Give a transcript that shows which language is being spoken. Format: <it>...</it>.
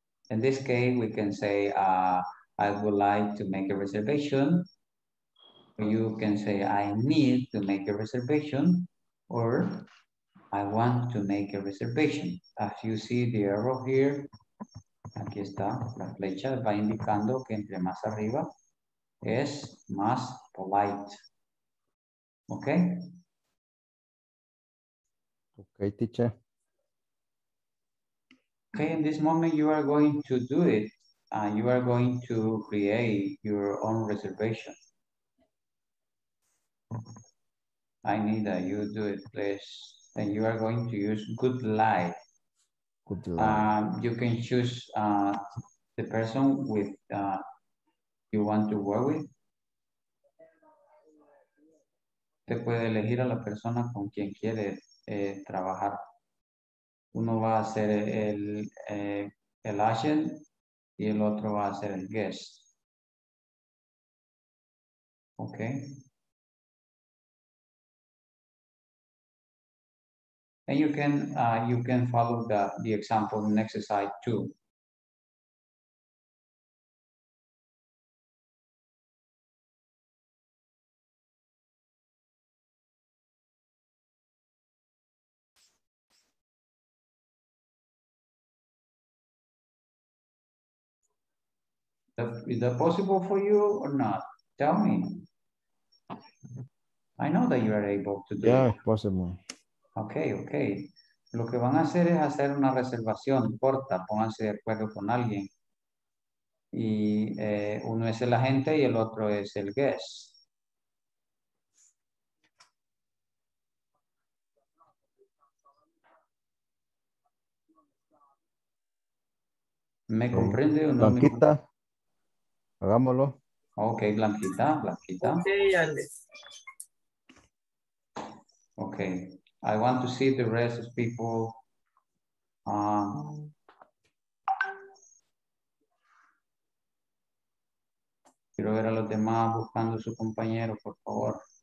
<en>In this case, we can say, I would like to make a reservation. You can say, I need to make a reservation, or I want to make a reservation. As you see the arrow here,</en> <es>Aquí está, la flecha va indicando que entre más arriba es más polite. ¿Ok?</es> <en>Ok, teacher. Okay, in this moment you are going to do it. You are going to create your own reservation. I need that you do it, please. And you are going to use good light. Good light. You can choose the person with you want to work with.</en> <es>Te puede elegir a la persona con quien quiere trabajar. Uno va a ser el agent y el otro va a ser el guest. Ok.</es> <en>And you can follow the example in exercise two. Is that possible for you or not? Tell me. I know that you are able to do it. Yeah, possible. Okay, okay.</en> <es>Lo que van a hacer es hacer una reservación corta. Pónganse de acuerdo con alguien. Y uno es el agente y el otro es el guest. ¿Me comprende? ¿No? Blanquita, hagámoslo.</es> <en>Okay, Blanquita, Blanquita. Okay, Alex. Okay. I want to see the rest of people.</en> <es>Quiero ver a los demás buscando a su compañero, por favor.</es>